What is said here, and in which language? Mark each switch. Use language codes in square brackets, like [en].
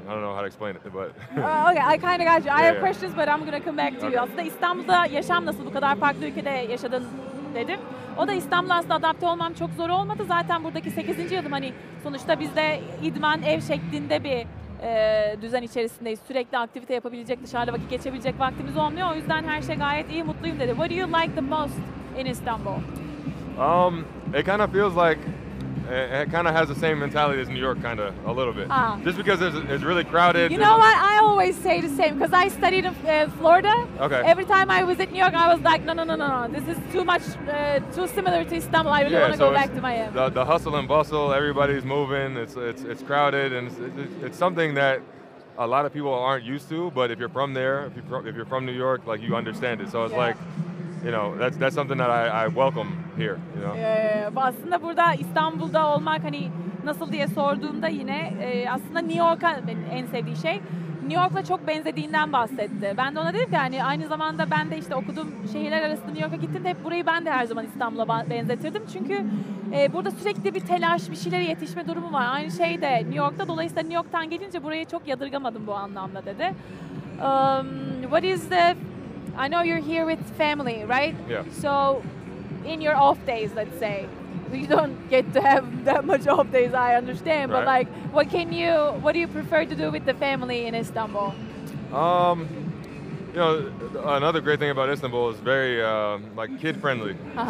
[en] I don't know how to explain it, but okay, I kind of got you. I have questions, but I'm gonna come back to you. [tr] Aslında İstanbul'da yaşam nasıl bu kadar farklı ülkede yaşadın dedim. O da İstanbul'a aslında adapte olmam çok zor olmadı. Zaten buradaki 8. yılım, hani sonuçta bizde idman ev şeklinde bir düzen içerisindeyiz. Sürekli aktivite yapabilecek, dışarıda vakit geçebilecek vaktimiz olmuyor. O yüzden her şey gayet iyi, mutluyum dedi. [en] What do you like the most in Istanbul? It kind of feels like it kind of has the same mentality as New York, kind of, a little bit. Just because it's really crowded. You know what? I always say the same, because I studied in Florida. Okay. Every time I visit New York, I was like, no. This is too much, too similar to Istanbul. I really want to go back to Miami. The hustle and bustle, everybody's moving. It's crowded, and it's something that a lot of people aren't used to. But if you're from there, if you're from New York, like, you understand it. So it's like, you know, that's something that I welcome here, you know. Yeah. [tr] Aslında burada İstanbul'da olmak, hani nasıl diye sorduğumda yine aslında New York'a en sevdiği şey New York'la çok benzediğinden bahsetti. Ben de ona dedim ki hani aynı zamanda ben de işte okuduğum şehirler arasında New York'a gittim de hep burayı ben de her zaman İstanbul'a benzetirdim. Çünkü burada sürekli bir telaş, bir şeylere yetişme durumu var. Aynı şey de New York'ta. Dolayısıyla New York'tan gelince burayı çok yadırgamadım bu anlamda dedi. [en] What is the... I know you're here with family, right? Yeah. So in your off days, let's say, you don't get to have that much off days, I understand. Right. But like, what can you, what do you prefer to do with the family in Istanbul? You know, another great thing about Istanbul is very like kid friendly. Uh-huh.